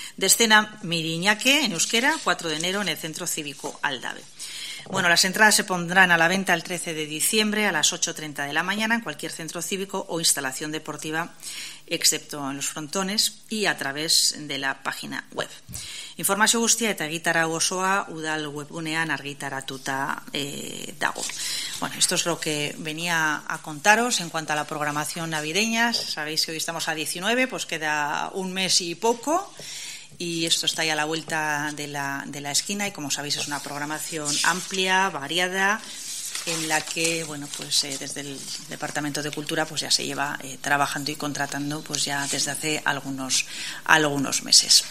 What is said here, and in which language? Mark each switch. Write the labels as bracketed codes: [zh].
[es] De escena Miriñaque, en euskera, 4 de enero, en el Centro Cívico Aldave. Bueno, las entradas se pondrán a la venta el 13 de diciembre a las 8:30 de la mañana en cualquier centro cívico o instalación deportiva, excepto en los frontones, y a través de la página web. [eu] Informazio guztia eta egitarau osoa udal webgunean argitaratuta dago. [es] Bueno, esto es lo que venía a contaros en cuanto a la programación navideña. Sabéis que hoy estamos a 19, pues queda un mes y poco. Y esto está ya a la vuelta de la esquina, y como sabéis es una programación amplia, variada, en la que, bueno, pues desde el Departamento de Cultura pues ya se lleva trabajando y contratando pues ya desde hace algunos meses.